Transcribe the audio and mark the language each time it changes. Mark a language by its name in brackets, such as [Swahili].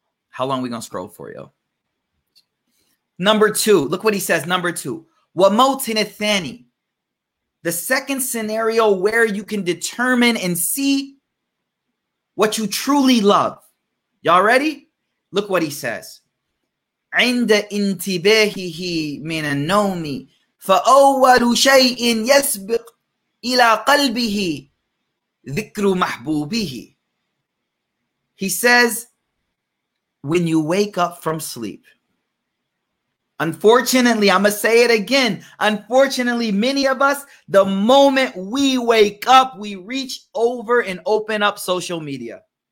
[English] How long are we going to scroll for, yo? Number two. Look what he says. Number two. [Arabic] وَمَوْتِنِ الثَّانِي. [English] The second scenario where you can determine and see what you truly love. Y'all ready? Look what he says. [Arabic] عند انتباهه من النوم فأول شيء يسبق إلى قلبه ذكر محبوبه. [English] He says, when you wake up from sleep, Unfortunately, I'm going to say it again. Unfortunately, many of us, the moment we wake up, we reach over and open up social media.